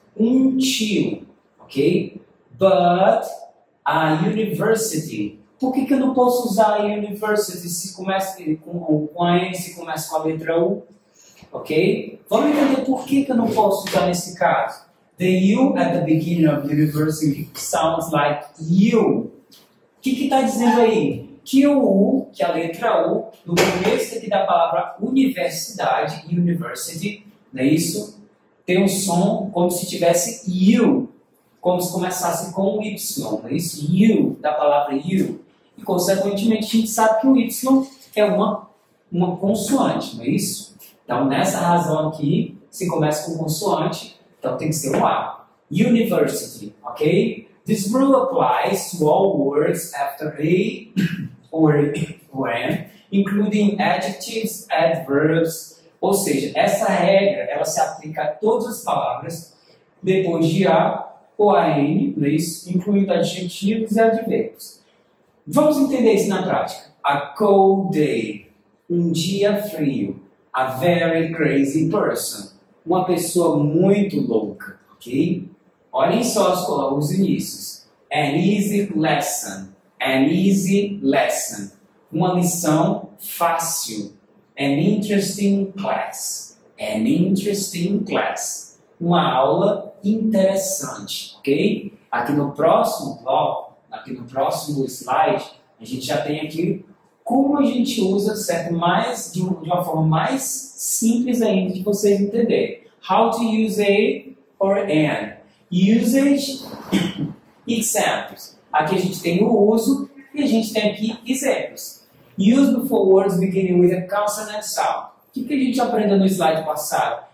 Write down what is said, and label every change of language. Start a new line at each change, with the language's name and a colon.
Portuguese: Um tio, ok?
English: But a university.
Portuguese: Por que eu não posso usar
English: a university
Portuguese: se começa com a N, se começa com a letra U? Ok? Vamos entender por que eu não posso usar nesse caso.
English: The U at the beginning of university sounds like you.
Portuguese: O que está dizendo aí? Que o U, que é a letra U, no começo aqui da palavra universidade, university, não é isso? Tem um som como se tivesse you, como se começasse com o Y, não é isso? You, da palavra you. E, consequentemente, a gente sabe que o Y é uma consoante, não é isso? Então, nessa razão aqui, se começa com consoante, então tem que ser um A. University, ok?
English: This rule applies to all words after A or N, including adjectives, adverbs.
Portuguese: Ou seja, essa regra, ela se aplica a todas as palavras depois de A ou AN, não é isso? Incluindo adjetivos e adverbios. Vamos entender isso na prática.
English: A cold day.
Portuguese: Um dia frio.
English: A very crazy person.
Portuguese: Uma pessoa muito louca, ok? Olhem só os inícios.
English: An easy lesson. An easy lesson.
Portuguese: Uma lição fácil.
English: An interesting class. An interesting class.
Portuguese: Uma aula interessante, ok? Aqui no próximo bloco, aqui no próximo slide, a gente já tem aqui como a gente usa, certo? Mais de uma forma mais simples ainda de vocês entenderem.
English: How to use a or an. Usage, examples.
Portuguese: Aqui a gente tem o uso e a gente tem aqui exemplos.
English: Use before words beginning with a consonant sound.
Portuguese: O que a gente aprendeu no slide passado?